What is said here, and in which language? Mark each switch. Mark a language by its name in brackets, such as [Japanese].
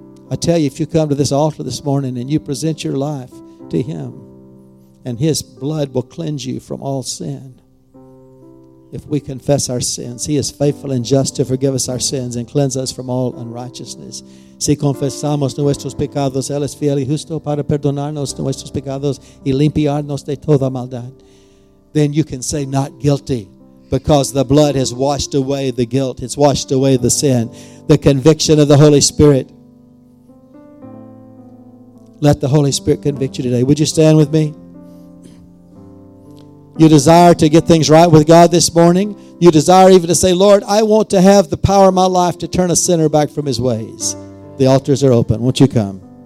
[English] I tell you, if you come to this altar this morning and you present your life to Him, and His blood will cleanse you from all sin. If we confess our sins, He is faithful and just to forgive us our sins and cleanse us from all unrighteousness. [Spanish] Si confesamos nuestros pecados, Él es fiel y justo para perdonarnos nuestros pecados y limpiarnos de toda maldad. [English] Then you can say not guilty, because the blood has washed away the guilt. It's washed away the sin. The conviction of the Holy Spirit. Let the Holy Spirit convict you today. Would you stand with me? You desire to get things right with God this morning. You desire even to say, Lord, I want to have the power of my life to turn a sinner back from his ways. The altars are open. Won't you come?